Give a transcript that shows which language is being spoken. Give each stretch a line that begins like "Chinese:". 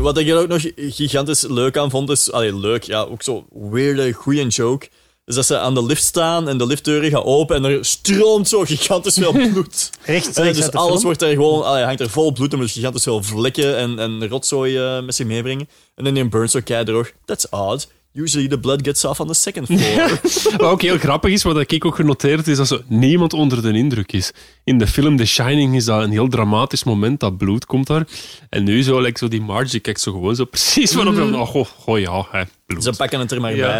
Dutch: Wat ik er ook nog gigantisch leuk aan vond, is... Allee, leuk, ja, ook zo weirde, goeie joke. Is dat ze aan de lift staan en de liftdeuren gaan open en er stroomt zo gigantisch veel bloed. Rechtstreeks dus alles wordt er gewoon... Allee, hangt er vol bloed en moet gigantisch veel vlekken en rotzooi met zich meebrengen. En dan neemt Burns zo keidroog. That's odd.
English: Usually the blood gets off on the second floor.
Dutch: Wat ook heel grappig is, wat ik ook genoteerd is dat zo niemand onder de indruk is. In de film The Shining is dat een heel dramatisch moment, dat bloed komt daar. En nu zo, like, zo die Marge, die kijkt zo gewoon zo precies waarop je... Oh, oh, oh ja, hè, bloed. Ze pakken het er maar bij.